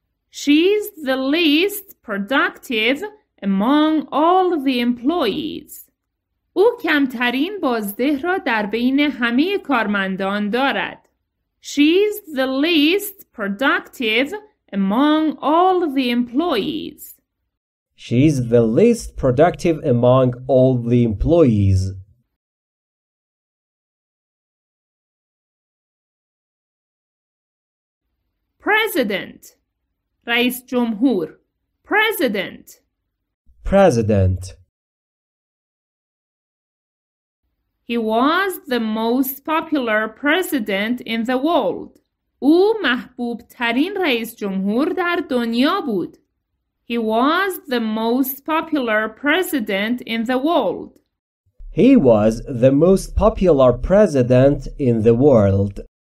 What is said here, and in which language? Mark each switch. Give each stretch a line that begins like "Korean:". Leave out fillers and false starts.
English: She's the least productive among all the employees.
Persian: او کمترین بازده را در بین همه کارمندان دارد.
English: She's the least productive among all the employees. She's the least productive among all the employees. President.
Persian: رئیس جمهور.
English: President. President. He was the most popular president in the world.
Persian: او محبوب ترین رئیس جمهور در دنیا بود.
English: He was the most popular president in the world. He was the most popular president in the world.